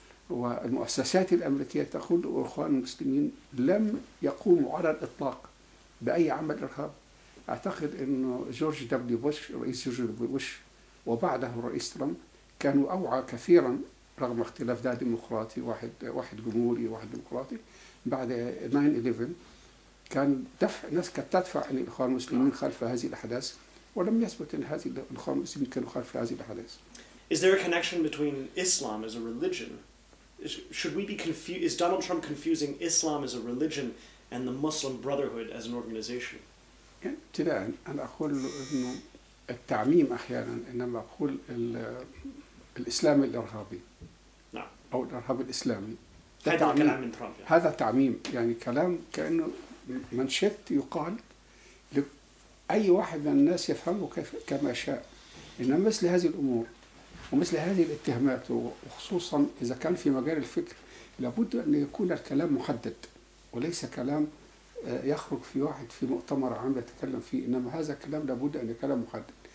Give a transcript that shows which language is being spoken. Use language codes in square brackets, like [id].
[ar] والمؤسسات الأمريكية تقول الإخوان المسلمين لم يقوموا على الإطلاق بأي عمل إرهاب أعتقد أن جورج دبليو بوش رئيس جورج دبليو بوش وبعده الرئيس ترامب كانوا أوعى كثيرا رغم اختلاف ده ديمقراطي واحد جمهوري واحد ديمقراطي بعد 9/11 كان دفع ناس كانت تدفع عن الإخوان المسلمين خلف هذه الأحداث ولم يثبت أن هذه الإخوان المسلمين كانوا خلف هذه الأحداث. [en] Is there a connection between Islam as a religion? Should we be confused? Is Donald Trump confusing Islam as a religion and the Muslim Brotherhood as an organization? [ar] ابتداء أنا أقول إنه التعميم أحيانا إنما أقول الإسلام الإرهابي أو الإرهاب الإسلامي هذا كلام من ترامب يعني. هذا تعميم يعني كلام كأنه منشط يقال لأي واحد من الناس يفهمه كما شاء إن مثل هذه الأمور ومثل هذه الاتهامات وخصوصا إذا كان في مجال الفكر لابد أن يكون الكلام محدد وليس كلام يخرج في واحد في مؤتمر عام يتكلم فيه إنما هذا الكلام لابد أن يكون محدد